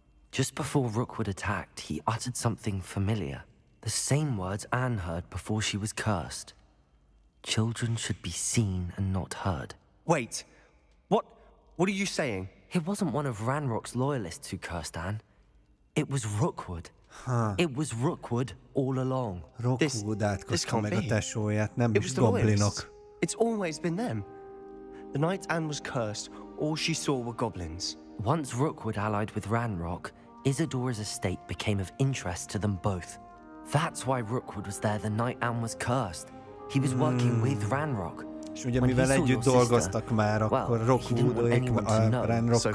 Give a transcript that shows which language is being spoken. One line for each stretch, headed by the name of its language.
English: Just before Rookwood attacked, he uttered something familiar. The same words Anne heard before she was cursed. Children should be seen and not heard. Wait! What are you saying? It wasn't one of Ranrock's loyalists who cursed Anne. It was Rookwood. Huh. It was Rookwood all along.
Hungarian: Rookwood átkozta meg a tesóját, nem is goblinok.
English: It's always been them. The night Anne was cursed, all she saw were goblins. Once Rookwood allied with Ranrock, Isadora's estate became of interest to them both. That's why Rookwood was there the night Anne was cursed. He was working with Ranrock.
Hungarian: És ugye
English: when
Hungarian: mivel együtt dolgoztak már, akkor Rookwoodék Ranrockkal.